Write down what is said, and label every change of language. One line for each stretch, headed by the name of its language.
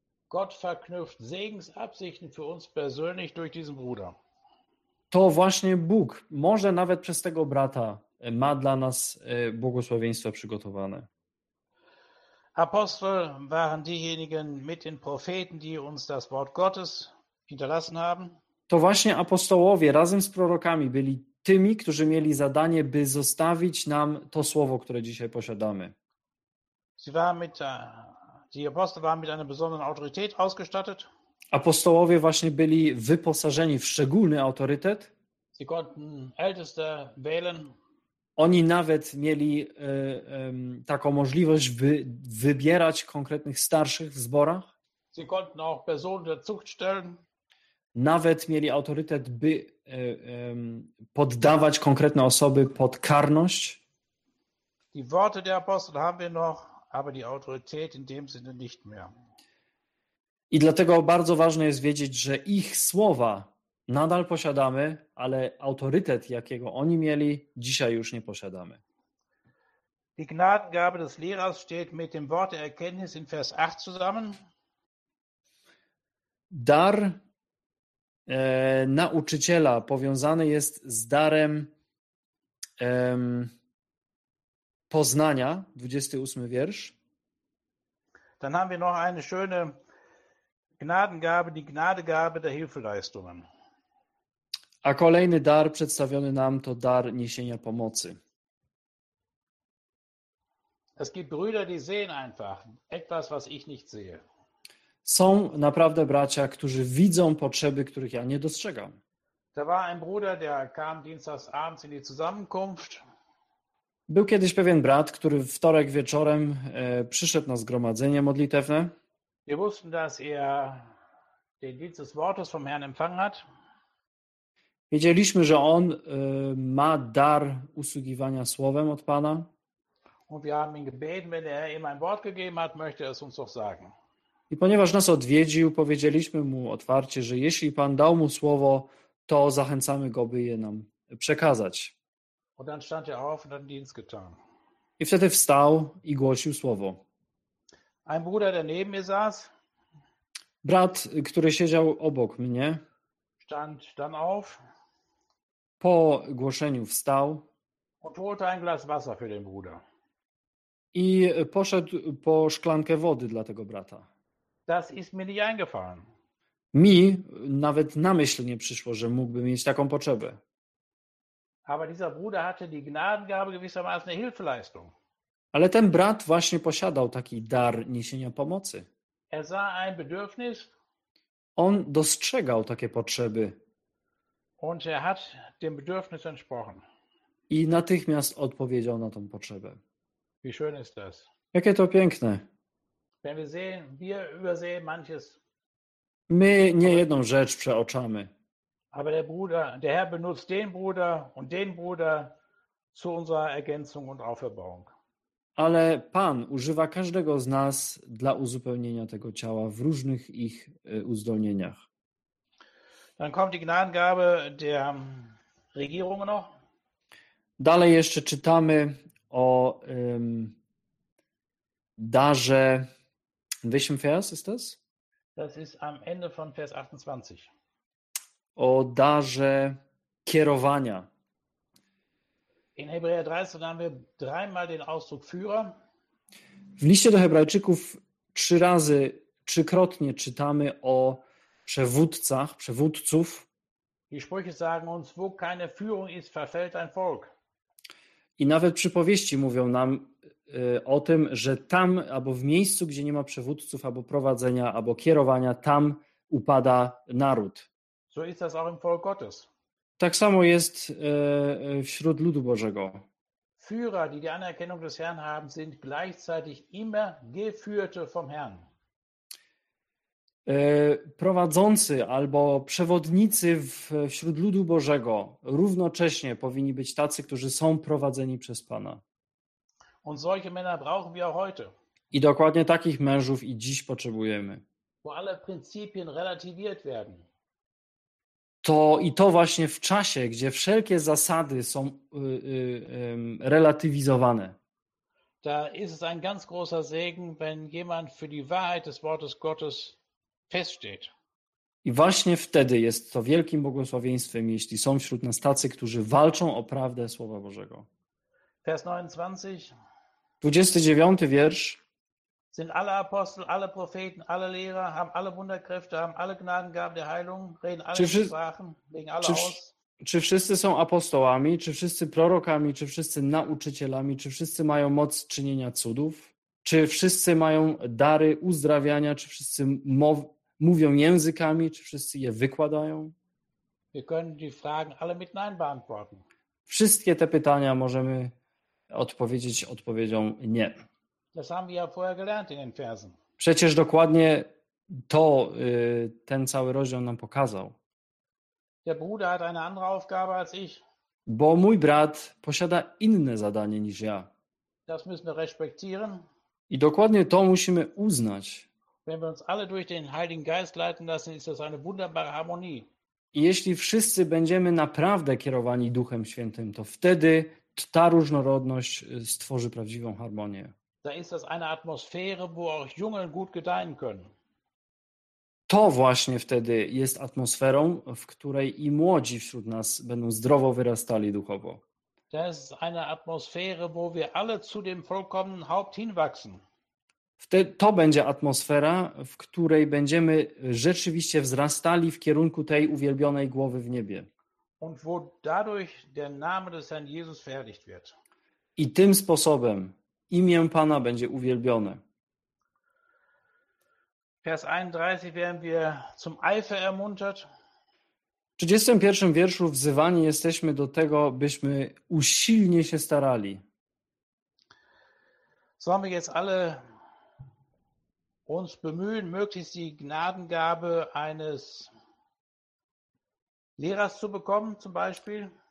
German: Gott verknüpft Segensabsichten für uns persönlich durch diesen Bruder.
Polish: To właśnie Bóg, może nawet przez tego brata, ma dla nas błogosławieństwo przygotowane.
German: Apostel waren diejenigen mit den Propheten, die uns das Wort Gottes hinterlassen haben.
Polish: To właśnie apostołowie razem z prorokami byli tymi, którzy mieli zadanie, by zostawić nam to słowo, które dzisiaj posiadamy.
German: Die Apostel waren mit einer besonderen Autorität ausgestattet.
Polish: Apostołowie właśnie byli wyposażeni w szczególny autorytet.
German: Sie konnten Älteste wählen.
Polish: Oni nawet mieli taką możliwość, by wybierać konkretnych starszych w zborach.
German: Sie konnten auch Personen der Zucht stellen.
Polish: Nawet mieli autorytet, by poddawać konkretne osoby pod karność.
German: Die Worte der Apostel haben wir noch, aber die Autorität in dem Sinne nicht mehr.
Polish: I dlatego bardzo ważne jest wiedzieć, że ich słowa nadal posiadamy, ale autorytet, jakiego oni mieli, dzisiaj już nie posiadamy.
German: Die Gnadengabe des Lehrers steht mit dem Wort der Erkenntnis in Vers 8 zusammen.
Polish: Dar nauczyciela powiązany jest z darem poznania, 28 wiersz.
German: Dann haben wir noch eine schöne Gnadengabe, die Gnadegabe der Hilfeleistungen.
Polish: A kolejny dar przedstawiony nam to dar niesienia pomocy.
German: Es gibt Brüder, die sehen einfach etwas, was ich nicht sehe.
Polish: Są naprawdę bracia, którzy widzą potrzeby, których ja nie dostrzegam.
German: Da war ein Bruder, der kam dienstags abends in die Zusammenkunft.
Polish: Był kiedyś pewien brat, który w wtorek wieczorem przyszedł na zgromadzenie modlitewne.
German: Wir wussten, dass er den Dienst des Wortes vom Herrn empfangen hat.
Polish: Wiedzieliśmy, że on ma dar usługiwania słowem od Pana.
German: Und wir haben ihn gebeten, wenn er ihm ein Wort gegeben hat, möchte er es uns doch sagen.
Polish: I ponieważ nas odwiedził, powiedzieliśmy mu otwarcie, że jeśli Pan dał mu słowo, to zachęcamy go, by je nam przekazać.
German: Und dann stand er auf und hat den Dienst getan.
Polish: I wtedy wstał i głosił słowo.
German: Ein Bruder, der neben mir saß,
Polish: brat, który siedział obok mnie,
German: stand dann auf,
Polish: po głoszeniu wstał
German: und holte ein Glas Wasser für den Bruder.
Polish: I poszedł po szklankę wody dla tego brata.
German: Das ist mir nicht eingefallen.
Polish: Mi nawet na myśl nie przyszło, że mógłby mieć taką potrzebę.
German: Aber dieser Bruder hatte die Gnadengabe gewissermaßen eine Hilfeleistung.
Polish: Ale ten brat właśnie posiadał taki dar niesienia pomocy.
German: Er sah ein Bedürfnis.
Polish: On dostrzegał takie potrzeby.
German: Und er hat dem Bedürfnis entsprochen.
Polish: I natychmiast odpowiedział na tą potrzebę.
German: Wie schön ist das.
Polish: Jakie to piękne.
German: Wenn wir sehen, wir übersehen manches.
Polish: My nie jedną rzecz przeoczamy.
German: Aber der Bruder, der Herr benutzt den Bruder und den Bruder zu unserer Ergänzung und Auferbauung.
Polish: Ale Pan używa każdego z nas dla uzupełnienia tego ciała w różnych ich uzdolnieniach.
German: Dann kommt die Gnadengabe der Regierung noch.
Polish: Dalej jeszcze czytamy o darze.
German: In welchem Vers ist das? Das ist am Ende von Vers 28.
Polish: O darze kierowania.
German: In Hebräer 13 haben wir dreimal den Ausdruck Führer.
Polish: W liście do Hebrajczyków trzykrotnie czytamy o przewódcach, przewódców.
German: Die Sprüche sagen uns, wo keine Führung ist, verfällt ein Volk.
Polish: I nawet przypowieści mówią nam o tym, że tam albo w miejscu, gdzie nie ma przewódców, albo prowadzenia, albo kierowania, tam upada naród.
German: So ist das auch im Volk Gottes.
Polish: Tak samo jest wśród ludu Bożego.
German: Führer, die die Anerkennung des Herrn haben, sind gleichzeitig immer geführte vom Herrn.
Polish: Prowadzący albo przewodnicy wśród ludu Bożego równocześnie powinni być tacy, którzy są prowadzeni przez Pana.
German: Und solche Männer brauchen wir auch heute.
Polish: I dokładnie takich mężów i dziś potrzebujemy.
German: Wo alle Prinzipien relativiert werden.
Polish: To i to właśnie w czasie, gdzie wszelkie zasady są relatywizowane.
German: Da ist es ein ganz großer Segen, wenn jemand für die Wahrheit des Wortes Gottes feststeht.
Polish: I właśnie wtedy jest to wielkim błogosławieństwem, jeśli są wśród nas tacy, którzy walczą o prawdę Słowa Bożego.
German: Vers 29.
Polish: 29 wiersz.
German: Sind alle Apostel, alle Propheten, alle Lehrer, haben alle Wunderkräfte, haben alle Gnadengaben der Heilung, reden alle Sprachen, legen alle aus.
Polish: Czy wszyscy są apostołami, czy wszyscy prorokami, czy wszyscy nauczycielami, czy wszyscy mają moc czynienia cudów, czy wszyscy mają dary uzdrawiania, czy wszyscy mówią językami, czy wszyscy je wykładają?
German: Wir können die Fragen alle mit Nein beantworten.
Polish: Wszystkie te pytania możemy odpowiedzieć odpowiedzią nie.
German: Das haben wir ja vorher gelernt in den Versen.
Polish: Przecież dokładnie to ten cały rozdział nam pokazał.
German: Der Bruder hat eine andere Aufgabe als ich.
Polish: Bo mój brat posiada inne zadanie niż ja.
German: Das müssen wir respektieren.
Polish: I dokładnie to musimy uznać.
German: Wenn wir uns alle durch den Heiligen Geist leiten lassen, ist das eine wunderbare Harmonie.
Polish: I jeśli wszyscy będziemy naprawdę kierowani Duchem Świętym, to wtedy ta różnorodność stworzy prawdziwą harmonię.
German: Da ist das eine Atmosphäre, wo auch Jungen gut gedeihen können.
Polish: To właśnie wtedy jest atmosferą, w której i młodzi wśród nas będą zdrowo wyrastali duchowo.
German: Das ist eine Atmosphäre, wo wir alle zu dem vollkommenen Haupt hinwachsen.
Polish: To będzie atmosfera, w której będziemy rzeczywiście wzrastali w kierunku tej uwielbionej głowy w niebie.
German: Und wo dadurch der Name des Herrn Jesus verherrlicht wird.
Polish: I tym sposobem imię Pana będzie uwielbione.
German: Vers 31 werden wir zum Eifer ermuntert.
Polish: W 31 wierszu wzywani jesteśmy do tego, byśmy usilnie się starali.
German: Sollen wir jetzt alle uns bemühen, möglichst die Gnadengabe eines Lehrers zu bekommen, zum Beispiel?